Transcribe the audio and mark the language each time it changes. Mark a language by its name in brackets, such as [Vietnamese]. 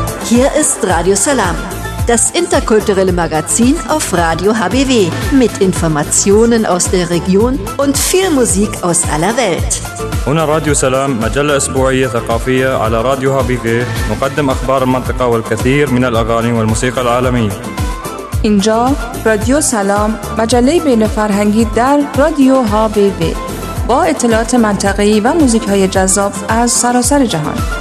[German] Hier ist Radio Salam, das interkulturelle Magazin auf Radio HBW mit Informationen aus der Region und viel Musik aus aller Welt. [Arabic] هنا راديو سلام، مجلة أسبوعية ثقافية على راديو HBW، نقدم أخبار المنطقة والكثير من الأغاني والموسيقى العالمية. [Persian] اینجا رادیو سلام، مجله بین فرهنگی در رادیو ها بی بی، با اطلاعات منطقه‌ای و موزیک‌های جذاب از سراسر جهان.